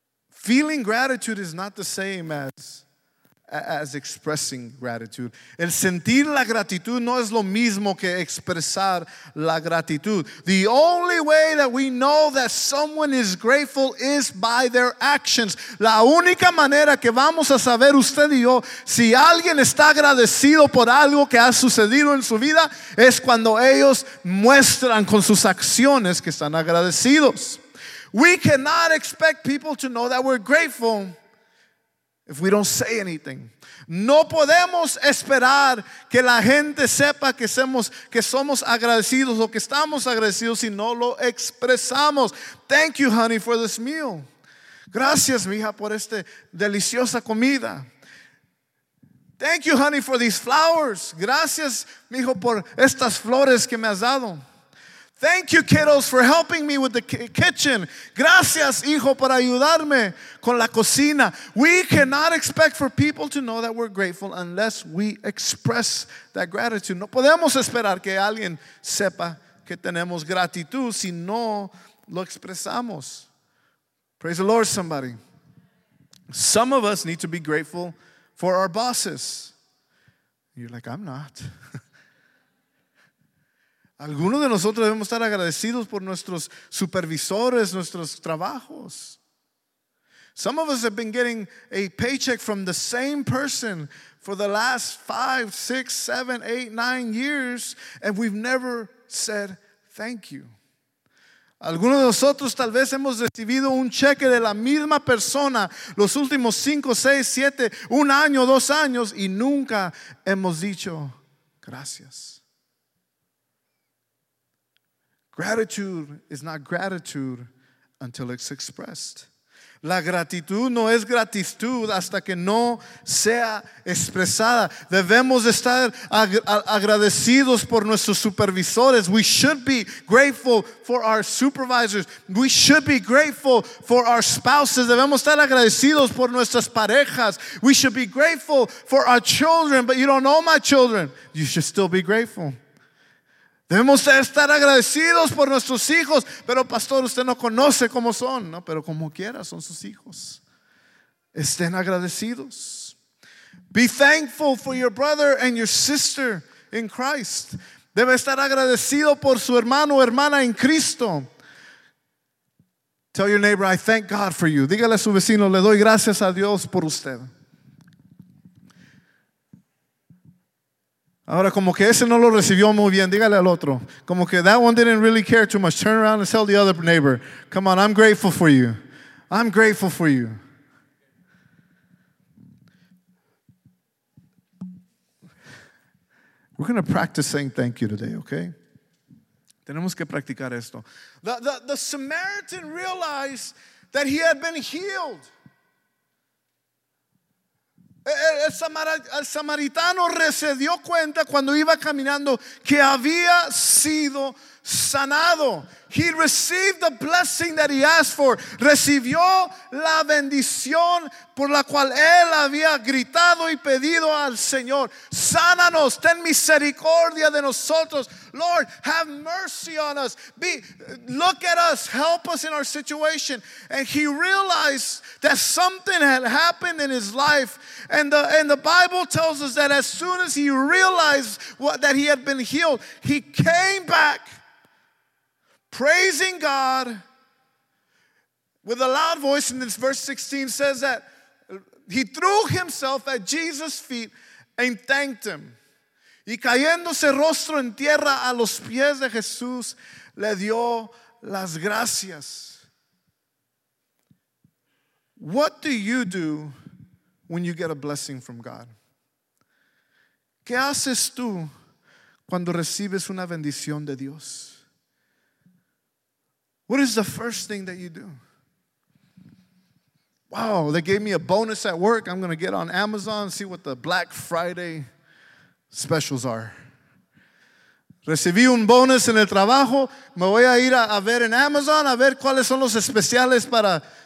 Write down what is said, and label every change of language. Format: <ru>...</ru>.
<en>Feeling gratitude is not the same as expressing gratitude.</en> <es>El sentir la gratitud no es lo mismo que expresar la gratitud.</es> <en>The only way that we know that someone is grateful is by their actions.</en> <es>La única manera que vamos a saber usted y yo si alguien está agradecido por algo que ha sucedido en su vida es cuando ellos muestran con sus acciones que están agradecidos.</es> <en>We cannot expect people to know that we're grateful if we don't say anything.</en> <es>No podemos esperar que la gente sepa que somos agradecidos o que estamos agradecidos si no lo expresamos.</es> <en>Thank you, honey, for this meal.</en> <es>Gracias, mija, por esta deliciosa comida.</es> <en>Thank you, honey, for these flowers.</en> <es>Gracias, mijo, por estas flores que me has dado.</es> <en>Thank you, kiddos, for helping me with the kitchen.</en> <es>Gracias, hijo, por ayudarme con la cocina.</es> <en>We cannot expect for people to know that we're grateful unless we express that gratitude.</en> <es>No podemos esperar que alguien sepa que tenemos gratitud si no lo expresamos.</es> <en>Praise the Lord, somebody. Some of us need to be grateful for our bosses. You're like, I'm not.</en> <es>Algunos de nosotros debemos estar agradecidos por nuestros supervisores, nuestros trabajos.</es> <en>Some of us have been getting a paycheck from the same person for the last 5, 6, 7, 8, 9 years, and we've never said thank you.</en> <es>Algunos de nosotros tal vez hemos recibido un cheque de la misma persona los últimos 5, 6, 7, un año, 2 años, y nunca hemos dicho gracias.</es> <en>Gratitude is not gratitude until it's expressed.</en> <es>La gratitud no es gratitud hasta que no sea expresada. Debemos estar agradecidos por nuestros supervisores.</es> <en>We should be grateful for our supervisors. We should be grateful for our spouses. Debemos estar agradecidos por nuestras parejas. We should be grateful for our children. But you don't know my children. You should still be grateful.</en> <es>Debemos estar agradecidos por nuestros hijos. Pero pastor, usted no conoce cómo son. No, pero como quiera, son sus hijos. Estén agradecidos.</es> <en>Be thankful for your brother and your sister in Christ.</en> <es>Debe estar agradecido por su hermano o hermana en Cristo.</es> <en>Tell your neighbor, I thank God for you.</en> <es>Dígale a su vecino, le doy gracias a Dios por usted. Ahora, como que ese no lo recibió muy bien, dígale al otro. Como que</es> <en>that one didn't really care too much. Turn around and tell the other neighbor, come on, I'm grateful for you. I'm grateful for you. We're going to practice saying thank you today, okay?</en> <es>Tenemos que practicar esto.</es> <en>The Samaritan realized that he had been healed.</en> <es>El samaritano se dio cuenta cuando iba caminando que había sido sanado.</es> <en>He received the blessing that he asked for.</en> <es>Recibió la bendición por la cual él había gritado y pedido al Señor. Sánanos, ten misericordia de nosotros.</es> <en>Lord, have mercy on us. Look at us. Help us in our situation. And he realized that something had happened in his life. And the Bible tells us that as soon as he realized that he had been healed, he came back praising God with a loud voice. And this verse 16 says that he threw himself at Jesus' feet and thanked him.</en> <es>Y cayéndose rostro en tierra a los pies de Jesús, le dio las gracias.</es> <en>What do you do when you get a blessing from God?</en> <es>¿Qué haces tú cuando recibes una bendición de Dios?</es> <en>What is the first thing that you do? Wow, they gave me a bonus at work. I'm going to get on Amazon, see what the Black Friday specials are.</en> <es>Recibí un bonus en el trabajo. Me voy a ir a ver en Amazon a ver cuáles son los especiales para...</es>